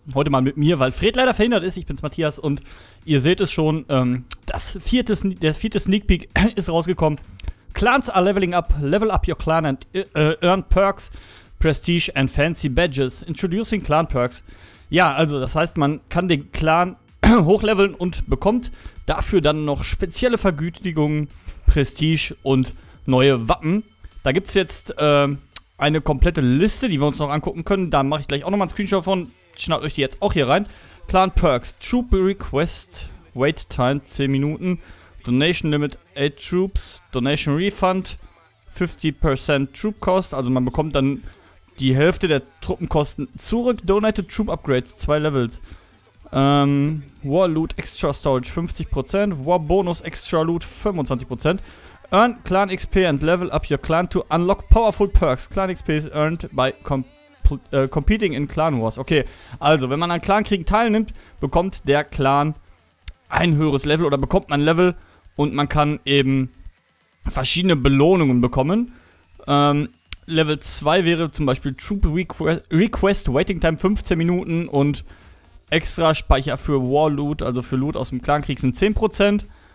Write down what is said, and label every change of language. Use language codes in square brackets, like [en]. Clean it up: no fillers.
[de] Heute mal mit mir, weil Fred leider verhindert ist. Ich bin's Matthias und ihr seht es schon. Der vierte Sneak Peek ist rausgekommen. [en] Clans are leveling up. Level up your clan and earn perks, prestige and fancy badges. Introducing clan perks. [de] Ja, also das heißt, man kann den Clan hochleveln und bekommt dafür dann noch spezielle Vergütigungen, Prestige und neue Wappen. Da gibt's jetzt eine komplette Liste, die wir uns noch angucken können. Da mache ich gleich auch nochmal einen Screenshot von. Schnappt euch die jetzt auch hier rein. [en] Clan Perks. Troop Request. Wait Time 10 Minuten. Donation Limit 8 Troops. Donation Refund. 50% Troop Cost. [de] Also man bekommt dann die Hälfte der Truppenkosten zurück. [en] Donated Troop Upgrades. 2 Levels. War Loot Extra Storage 50%. War Bonus Extra Loot 25%. Earn Clan XP and level up your clan to unlock powerful perks. Clan XP is earned by competing in Clan Wars. [de] Okay, also wenn man an Clankriegen teilnimmt, bekommt der Clan ein höheres Level oder bekommt man Level und man kann eben verschiedene Belohnungen bekommen. Level 2 wäre zum Beispiel Troop Request Waiting Time 15 Minuten und extra Speicher für War Loot, also für Loot aus dem Clankrieg sind 10%.